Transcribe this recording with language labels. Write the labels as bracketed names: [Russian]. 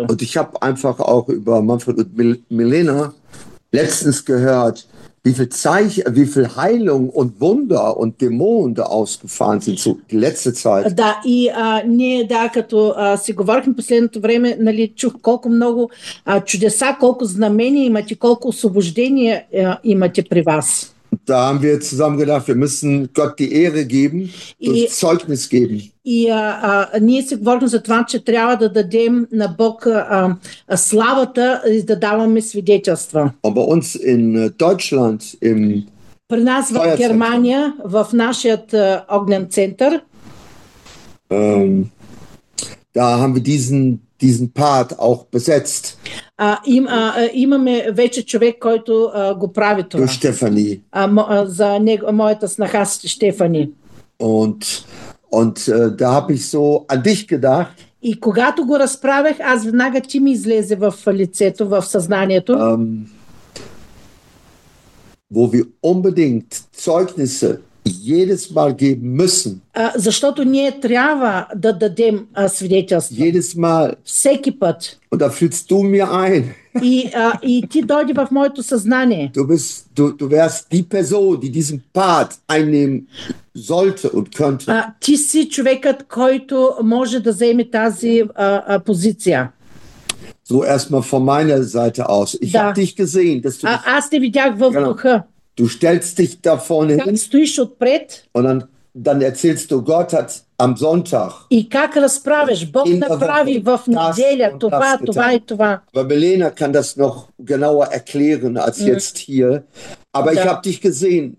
[German] Und ich habe einfach auch über Manfred und Milena letztens gehört, wie viel Zeichen, wie viel Heilung und Wunder und Dämonen da ausgefahren sind so die letzte Zeit. [Bulgarian] Da и не да като си говорим последното време, нали, чух колко много чудеса, колко знамения имате, колко освобождения имате при вас. [German] Da haben wir zusammen gedacht, wir müssen Gott die Ehre geben, das Zeugnis geben. [Bulgarian] Ние си говорим за това, че трябва да дадем на Бог славата и да даваме свидетелства. [German] Und bei uns in Deutschland, im [Bulgarian] при нас в Германия, в нашият огнен център, [German] da haben wir diesen Part auch besetzt. [Bulgarian] Имаме вече човек, който го прави това. Стефани. За моята снаха Стефани. [German] Und da habe ich so an dich gedacht. [Bulgarian] И когато го разправях, аз веднага ти ми излезе в лицето, в съзнанието. [German] Wo wir unbedingt Zeugnisse jedes Mal geben müssen. [Bulgarian] Защото ние трябва да дадем свидетелство. [German] Jedes Mal. [Bulgarian] Всеки път. [German] Und da fühlst du mir ein. [Bulgarian] И ти дойде в моето съзнание. [German] Du wärst die Person, die diesen Part einnehmen sollte und könnte. [Bulgarian] Ти си човекът, който може да заеме тази позиция. [German] So erstmal von meiner Seite aus. Ich habe dich gesehen, dass du [Bulgarian] аз те видях в духа. [German] Du stellst dich da vorne hin. Stehst du bereit? Und dann erzählst du, Gott hat am Sonntag. [Bulgarian] И как разправиш? Бог направи в неделя това, това и това. [German] Aber Milena kann das noch genauer erklären als jetzt hier. Aber ich habe dich gesehen.